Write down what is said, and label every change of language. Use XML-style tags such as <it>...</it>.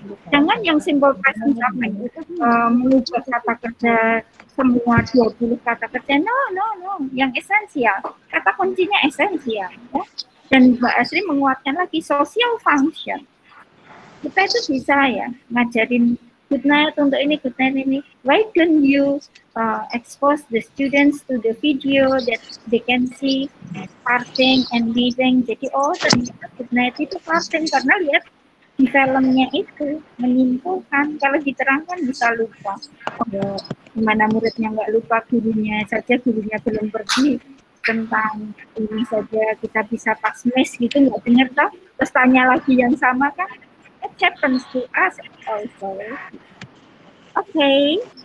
<id>Jangan yang simple present sampai itu menuju kata kerja semua 20 kata kerja. No. Yang esensial, kata kuncinya esensial. Ya. Dan Mbak Asri menguatkan lagi social function. Kita itu bisa ya ngajarin good night untuk ini, good night ini.</id> <en>Why don't you expose the students to the video that they can see parting and leaving.</en> <id>Jadi ternyata good night itu parting karena lihat di filmnya itu menyimpulkan. Kalau diterangkan bisa lupa. Gimana muridnya nggak lupa, gurunya saja gurunya belum pergi. Tentang ini saja kita bisa pas mes gitu nggak dengar toh, terus tanya lagi yang sama kan,</id> <en>it happens to us also. Okay.</en>